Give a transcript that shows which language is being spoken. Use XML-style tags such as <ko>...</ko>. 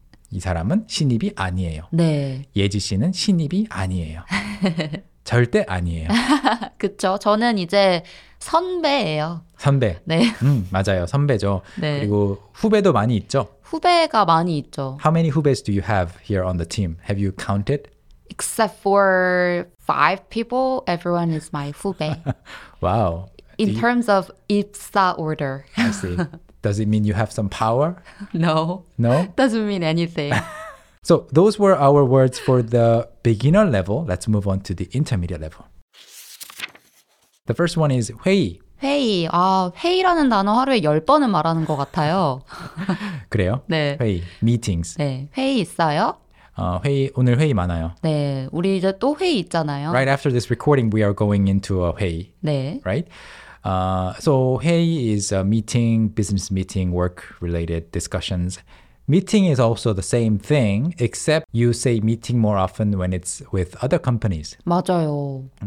<ko>이 사람은 신입이 아니에요. 네. 예지 씨는 신입이 아니에요. 절대 아니에요. 그렇죠. 저는 이제 선배예요. 선배. 네. 맞아요. 선배죠. 네. 그리고 후배도 많이 있죠. 후배가 많이 있죠.</ko> <en>How many 후배s do you have here on the team? Have you counted? Except for 5 people, everyone is my 후배. Wow. In terms of 입사 order. I see. Does it mean you have some power? No. No? Doesn't mean anything. So those were our words for the beginner level. Let's move on to the intermediate level. The first one is 회의.</en> <ko>회의. 아, 회의라는 단어 하루에 10번은 말하는 것 같아요. 그래요? 네. 회의. Meetings. 네. 회의 있어요? 회의. 오늘 회의 많아요. 네. 우리 이제 또 회의 있잖아요.</ko> <en>Right after this recording, we are going into a 회의.</en> <ko>네.</ko> <en>Right? So 회의 is a meeting, business meeting, work-related discussions. Meeting is also the same thing, except you say meeting more often when it's with other companies.</en> <ko>맞아요.</ko>